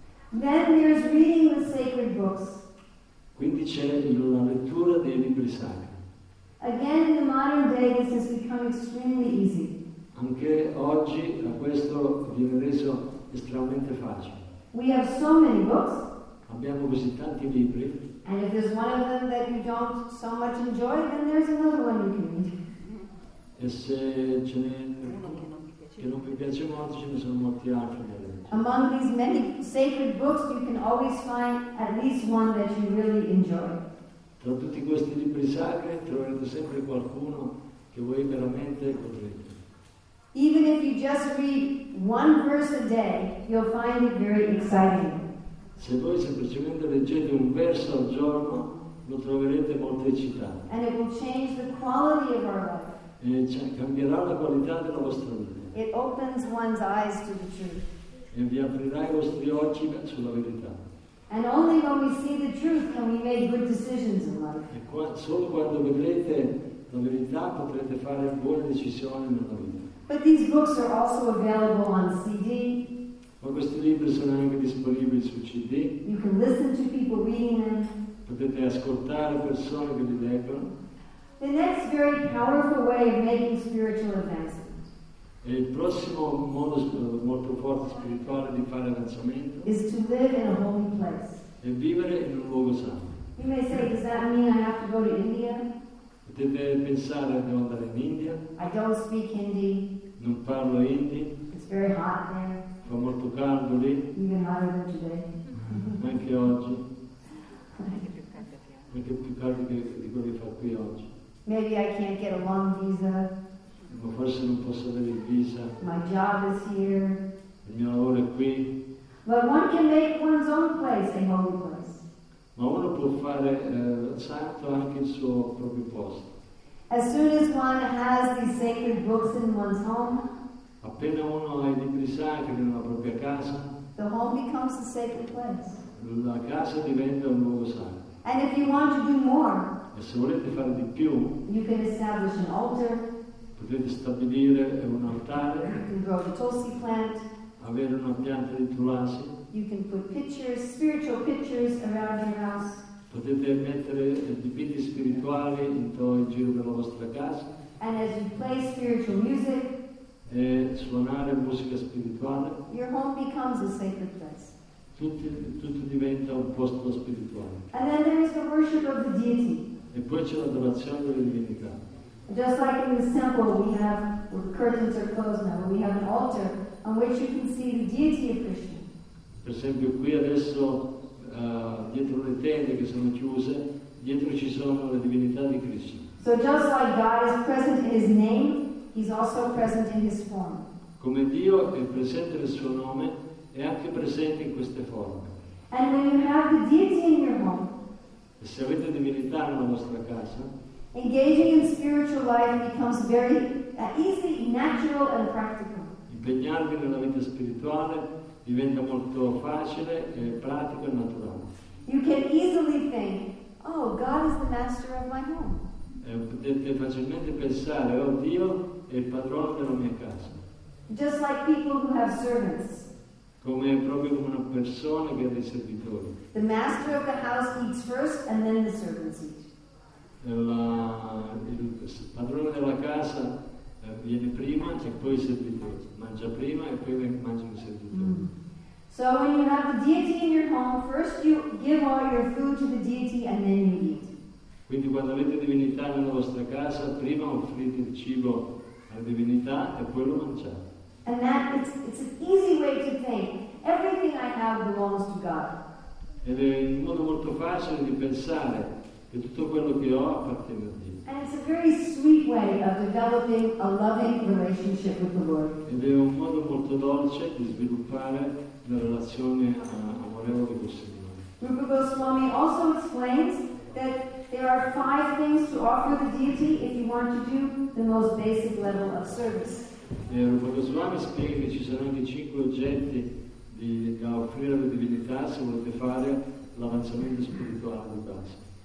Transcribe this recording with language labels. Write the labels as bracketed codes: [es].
[en] Then there is reading the sacred books. [it] Quindi c'è la lettura dei libri sacri. [en] Again, in the modern day, this has become extremely easy. [it] Anche oggi questo viene reso estremamente facile. [en] We have so many books. [it] Abbiamo così tanti libri. [en] And if there's one of them that you don't so much enjoy, then there's another one you can read. [it] E se ce n'è che non mi piace molto, ce ne sono molti altri. [en] Among these many sacred books, you can always find at least one that you really enjoy. [it] Tra tutti questi libri sacri troverete sempre qualcuno che voi veramente godrete. [en] Even if you just read one verse a day, you'll find it very exciting. [it] Se voi semplicemente leggete un verso al giorno, lo troverete molto eccitante. [en] And it will change the quality of our life. [it] E cambierà la qualità della vostra vita. [en] It opens one's eyes to the truth. [it] E vi aprirà i vostri occhi sulla verità. [en] And only when we see the truth can we make good decisions in life. [it] E solo quando vedrete la verità potrete fare buone decisioni nella vita. [en] But these books are also available on CD. [it] Ma questi libri sono anche disponibili su CD. [en] You can listen to people reading them. [it] Potete ascoltare persone che li leggono. [en] The next very powerful way of making spiritual advancement. [it] Il prossimo modo molto forte spirituale di fare avanzamento [en] is to live in a holy place. [it] È vivere in un luogo santo. [en] You may say, does that mean I have to go to India? [it] Deve pensare di andare in India. [en] I don't speak Hindi. [it] Non parlo Hindi. [en] It's very hot there. [it] Fa molto caldo lì. [en] Even hotter than today. [it] Anche oggi. Anche più caldo che di quello che fa qui oggi. [en] Maybe I can't get a long visa. [it] Ma forse non posso avere visa. [en] My job is here. [it] Il mio lavoro è qui. [en] But one can make one's own place a holy place. [it] Ma uno può fare santo anche il suo proprio posto. [en] As soon as one has the sacred books in one's home, [it] appena uno ha i libri sacri nella propria casa, [en] the home becomes a sacred place. [it] La casa diventa un luogo santo. [en] And if you want to do more, [it] e se volete fare di più, [en] you can establish an altar. [it] Potete stabilire un altare. [en] You can grow the tulsi plant. [it] Avere una pianta di tulasi. [en] You can put pictures, spiritual pictures around your house. [it] Potete mettere dipinti spirituali in giro della vostra casa. [en] And as you play spiritual music, [it] e suonare musica spirituale, [en] your home becomes a sacred place. [it] Tutto diventa un posto spirituale. [en] And then there is the worship of the deity. [it] E poi c'è l'adorazione della divinità. [en] Just like in the temple, we have where curtains are closed now, we have an altar on which you can see the deity of Krishna. [it] Per esempio, qui adesso, dietro le tende che sono chiuse, dietro ci sono le divinità di Krishna. [en] So just like God is present in His name, He's also present in His form. [it] Come Dio è presente nel suo nome, è anche presente in queste forme. [en] And when you have the deity in your home, [it] e se avete divinità nella vostra casa, [en] engaging in spiritual life becomes very easy, natural, and practical. [it] Impegnarvi nella vita spirituale diventa molto facile, pratico e naturale. [en] You can easily think, oh, God is the master of my home. [it] Potete facilmente pensare, oh, Dio è il padrone della mia casa. [en] Just like people who have servants. [it] Come proprio come una persona che ha dei servitori. [en] The master of the house eats first and then the servants eat. [it] Il padrone della casa viene prima e poi il servitore mangia prima e poi mangia il servitore. Mm. [en] So when you have the deity in your home, first you give all your food to the deity and then you eat. [it] Quindi quando avete divinità nella vostra casa, prima offrite il cibo alla divinità e poi lo mangiate. [en] And that it's an easy way to think. Everything I have belongs to God. [it] Ed è un modo molto facile di pensare. E tutto quello che ho appartiene a Dio. [en] And it's a very sweet way of developing a loving relationship with the Lord. [it] Ed è un modo molto dolce di sviluppare una relazione amorevole con il Signore. [en] Rupa Goswami also explains that there are five things to offer the deity if you want to do the most basic level of service. [it] E Rupa Goswami spiega che ci sono anche cinque oggetti da offrire alla divinità se volete fare l'avanzamento spirituale di base.